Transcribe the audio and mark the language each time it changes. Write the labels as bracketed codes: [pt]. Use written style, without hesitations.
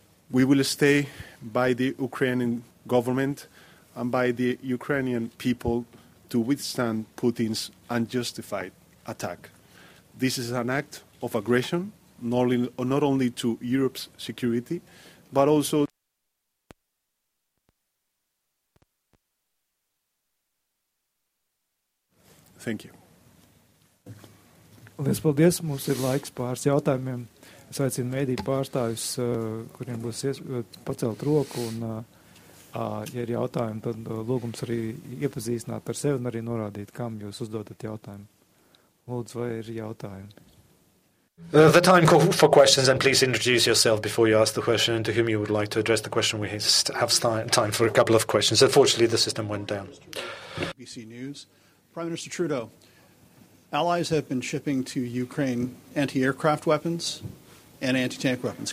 [en] We will stay by the Ukrainian government and by the Ukrainian people to withstand Putin's unjustified attack. This is an act of aggression, not only to Europe's security, but also thank you. [lv] Lielas paldies. Mums ir laiks pāris jautājumiem. Es aicinu mediju pārstāvjus, kuriem būs pacelt roku. Un, ja ir jautājumi, tad lūgums arī iepazīstināt ar sevi un arī norādīt, kam jūs uzdodat jautājumu. Lūdzu, vai ir jautājumi? [en] The time for questions, and please introduce yourself before you ask the question and to whom you would like to address the question. We have time for a couple of questions. Unfortunately, the system went down. BBC News. Prime Minister Trudeau, allies have been shipping to Ukraine anti-aircraft weapons and anti-tank weapons.